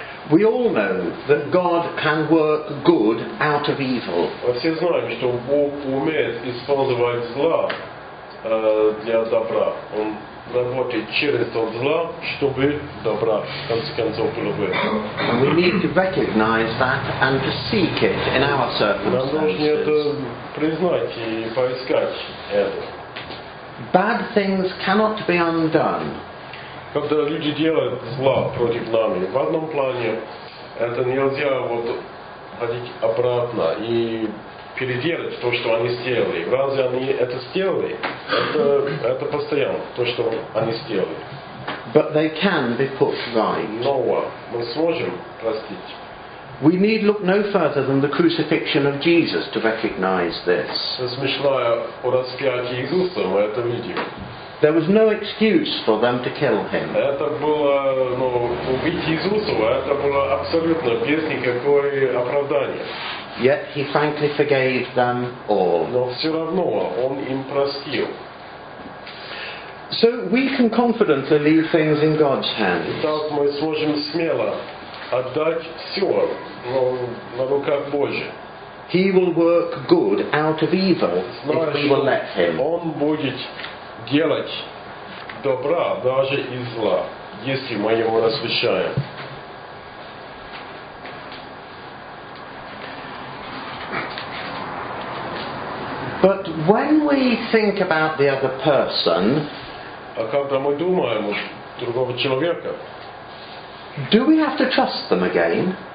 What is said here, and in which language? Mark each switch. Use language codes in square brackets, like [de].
[en] We all know that God can work good out of evil. [ru] Мы все знаем, что Бог умеет использовать зло для добра. Он работает через то зло, чтобы добра в конце концов получилось. [en] And we need to recognize that and to seek it in our circumstances. [ru] Нам нужно это признать и поискать это. [en] Bad things cannot be undone. [ru] Когда люди делают зло против нами, в одном плане это нельзя вот ходить обратно и переделать то, что они сделали. Разве они это сделали? Это постоянно то, что они сделали. [en] But they can be put right. [ru] Но мы сможем простить. [en] We need look no further than the crucifixion of Jesus to recognize this. [ru] Размышляя о распятии Иисуса, мы это видим. [en] There was no excuse for them to kill him. [ru] Это было, убить Иисуса, это было абсолютно без никакой оправдания. [en] Yet he frankly forgave them all. [ru] Но все равно он им простил. [en] So we can confidently leave things in God's hands. [ru] Итак, мы сможем смело отдать все на руках Божьи. [en] He will work good out of evil, if we will let him. [ru] Он будет делать добра даже из зла, если мы его разрешаем. [en] But when we think about the other person, [ru] а когда мы думаем о другом человеке, [en] do we have to trust them again?